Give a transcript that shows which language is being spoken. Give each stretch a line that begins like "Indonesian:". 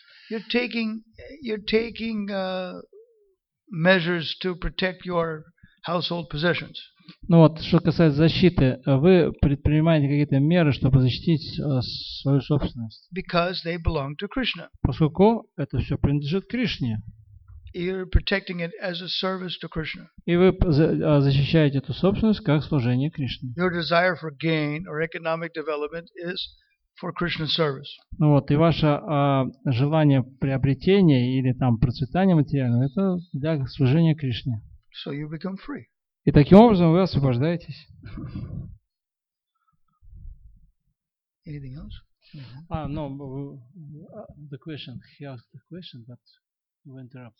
English: You're taking measures to protect your household possessions.
Russian: Ну вот, что касается защиты, вы предпринимаете какие-то меры, чтобы защитить свою собственность.
English: Because they belong to Krishna.
Russian: Поскольку это все принадлежит Кришне.
English: You're protecting it as a service to Krishna.
Russian: И вы защищаете эту собственность как служение Кришне.
English: Your desire for gain or economic development is for Krishna's service.
Russian: Ну вот, и ваше желание приобретения или там процветания материального, это для служения Кришне.
English: So you become free.
Russian: И таким образом вы освобождаетесь.
English: Anything else? No, the question, he asked the question, but we interrupt.